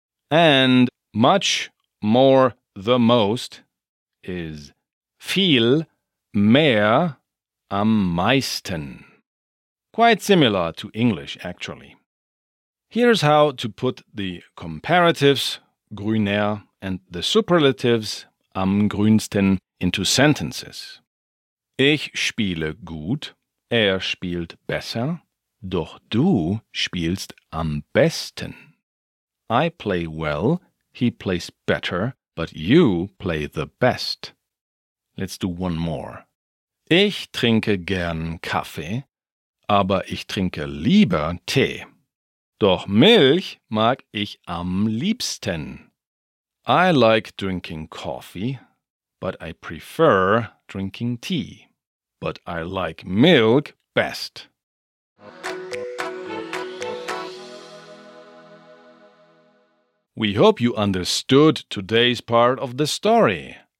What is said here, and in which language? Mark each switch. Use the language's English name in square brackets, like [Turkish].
[English] And much more the most is [German] viel, mehr, am meisten. [English] Quite similar to English, actually. Here's how to put the comparatives, grüner, and the superlatives, am grünsten, into sentences. [German] Ich spiele gut, spielt besser, doch du spielst am besten. [English] I play well, he plays better, but you play the best. Let's do one more. [German] Ich trinke gern Kaffee, aber ich trinke lieber Tee. Doch Milch mag ich am liebsten. [English] I like drinking coffee, but I prefer drinking tea. But I like milk best. We hope you understood today's part of the story.